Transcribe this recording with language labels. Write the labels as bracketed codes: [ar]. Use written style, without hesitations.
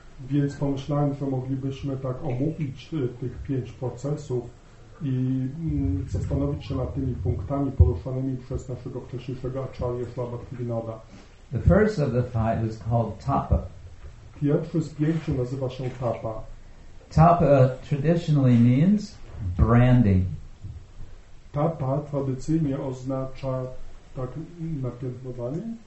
[pl] Więc pomyślałem, że moglibyśmy tak omówić tych pięć procesów i zastanowić się nad tymi punktami poruszanymi przez naszego wcześniejszego acharya Śrīla Bhaktivinoda. [en] The first of the five is called tapa. [pl] Pierwszy z pięciu nazywa się tapa. [en] Tapa traditionally means branding. [pl] Tapa tradycyjnie oznacza tak napiętnowanie.